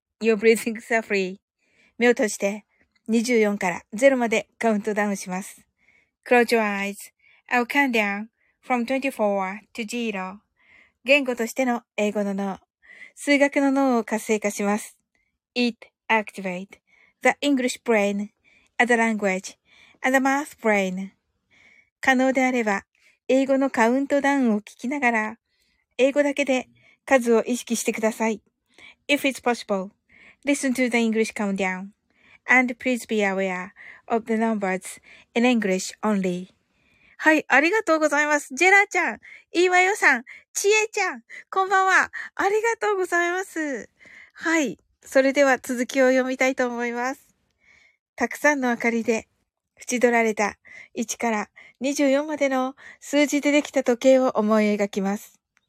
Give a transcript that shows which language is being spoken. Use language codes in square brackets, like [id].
[en] You're breathing is free. [ja] 目を閉じて24から0までカウントダウンします。 [en] Close your eyes. I'll count down from 24 to 0. [ja] 言語としての英語の脳、数学の脳を活性化します。 [en] Eat. Activate the English brain as a language and a math brain. [ja] 可能であれば、英語のカウントダウンを聞きながら、英語だけで数を意識してください。 [en] If it's possible, listen to the English countdown. And please be aware of the numbers in English only. [ja] はい、ありがとうございます。ジェラちゃん、イワヨさん、チエちゃん、こんばんは。ありがとうございます。はい。それでは続きを読みたいと思います。たくさんの明かりで縁取られた1から24までの数字でできた時計を思い描きます。